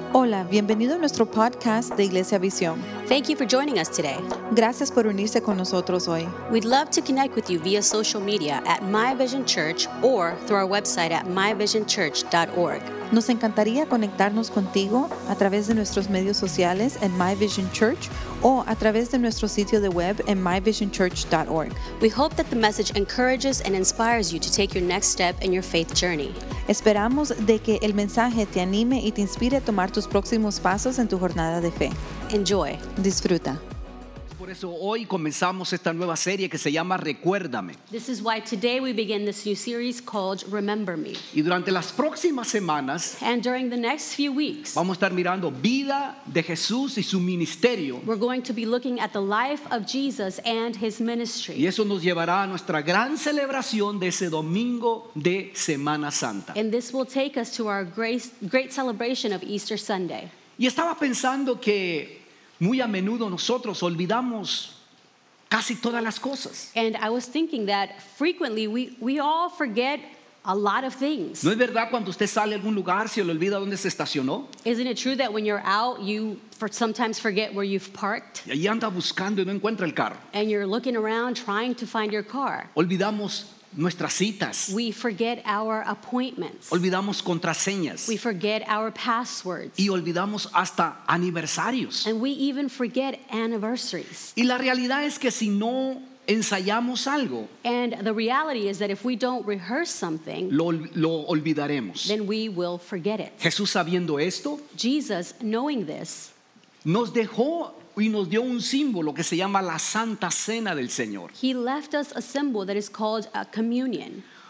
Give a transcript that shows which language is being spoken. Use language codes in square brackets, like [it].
[es] Hola, bienvenido a nuestro podcast de Iglesia Visión. [en] Thank you for joining us today. [es] Gracias por unirse con nosotros hoy. [en] We'd love to connect with you via social media at My Vision Church or through our website at myvisionchurch.org. [es] Nos encantaría conectarnos contigo a través de nuestros medios sociales en My Vision Church o a través de nuestro sitio de web en myvisionchurch.org. [en] We hope that the message encourages and inspires you to take your next step in your faith journey. [es] Esperamos de que el mensaje te anime y te inspire a tomar tus próximos pasos en tu jornada de fe. [en] Enjoy. [es] Disfruta. Por eso hoy comenzamos esta nueva serie que se llama Recuérdame. [en] This is why today we begin this new series called Remember Me. [es] Y durante las próximas semanas, [en] and during the next few weeks, [es] vamos a estar mirando vida de Jesús y su ministerio. [en] We're going to be looking at the life of Jesus and his ministry. [es] Y eso nos llevará a nuestra gran celebración de ese domingo de Semana Santa. [en] And this will take us to our great celebration of Easter Sunday. [es] Y estaba pensando que muy a menudo nosotros olvidamos casi todas las cosas. [en] And I was thinking that frequently we all forget a lot of things. [es] ¿No es verdad cuando usted sale a algún lugar se le olvida dónde se estacionó? [en] Isn't it true that when you're out you sometimes forget where you've parked? [es] Y ahí anda buscando y no encuentra el carro. [en] And you're looking around trying to find your car. [es] Olvidamos nuestras citas. [en] We forget our appointments. [es] Olvidamos contraseñas. [en] We forget our passwords. [es] Y olvidamos hasta aniversarios. [en] And we even forget anniversaries. [es] Y la realidad es que si no ensayamos algo, [en] and the reality is that if we don't rehearse something, [es] lo olvidaremos. [en] Then we will forget it. [es] Jesús sabiendo esto, [en] Jesus knowing this, [es] nos dejó y nos dio un símbolo que se llama la Santa Cena del Señor. [en] He left us a symbol that is called a communion.